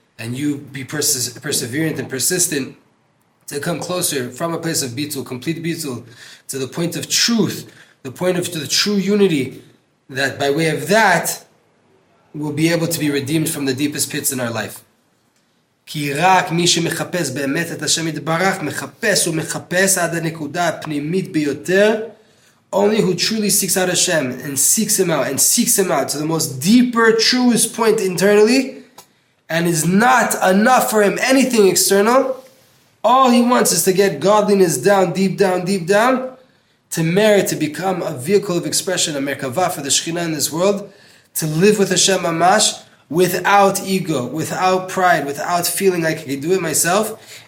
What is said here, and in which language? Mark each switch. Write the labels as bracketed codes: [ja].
[en] And you be perseverant and persistent to come closer from a place of bitul, complete bitul, to the point of truth, the point of to the true unity, that by way of that, we'll be able to be redeemed from the deepest pits in our life. [he] כי רק מי שמחפש באמת את השם יתברך, מחפש ומחפש עד הנקודה הפנימית ביותר. [en] Only who truly seeks out Hashem and seeks Him out and seeks Him out to the most deeper, truest point internally, and is not enough for Him anything external. All He wants is to get godliness down, deep down, deep down, to merit, to become a vehicle of expression, a merkava for the Shekhinah in this world, to live with Hashem mamash, without ego, without pride, without feeling like I can do it myself.